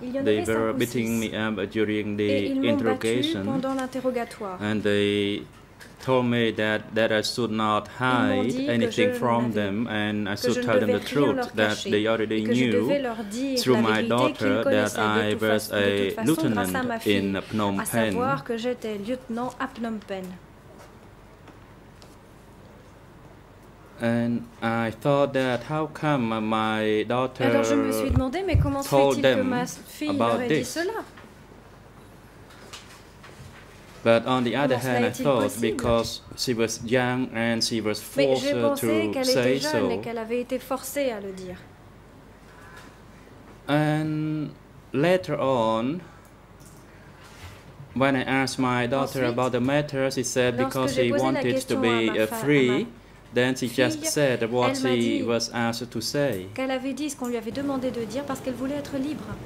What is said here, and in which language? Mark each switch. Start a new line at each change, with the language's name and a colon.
English: They were beating me up during the interrogation. And they told me that I should not hide anything from them and I should tell them the truth that they already knew through my daughter that I was a lieutenant in Phnom Penh.
French: À savoir que j'étais lieutenant à Phnom Penh.
English: And I thought that how come my daughter told them about this? But on the other hand, I thought because she was young and she was forced to say so.
French: Et qu'elle avait été forcée à le dire.
English: And later on, when I asked my daughter
French: Ensuite,
English: about the matter, she said because she wanted to be free, then she just said what she was asked to say.
French: Qu'elle avait dit ce qu'on lui avait demandé de dire parce qu'elle voulait être libre.